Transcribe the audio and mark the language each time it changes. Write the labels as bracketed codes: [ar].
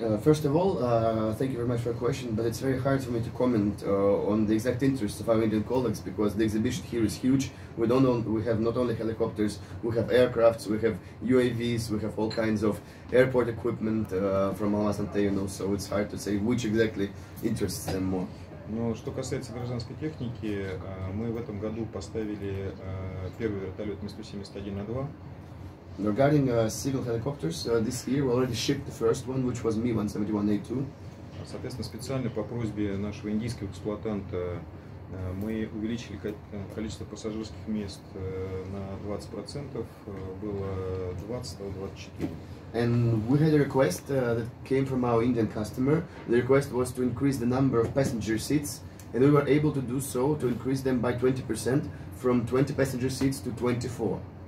[en] First of all, thank you very much for the question, but it's very hard for me to comment on the exact interests of our Indian colleagues, because the exhibition here is huge. We have not only helicopters, we have aircrafts, we have UAVs, we have all kinds of airport equipment from Alasante, so it's hard to say which exactly interests them more. [ru] Но что касается гражданской техники, мы в этом году поставили первый вертолет Ми-171А2. [en] Regarding civil helicopters, this year we already shipped the first one, which was Ми-171А2. [ru] Соответственно, специально по просьбе нашего индийского эксплуатанта мы увеличили количество пассажирских мест на 20%, было 20, стало 24. [en] And we had a request that came from our Indian customer. The request was to increase the number of passenger seats, and we were able to do so, to increase them by 20%, from 20 passenger seats to 24.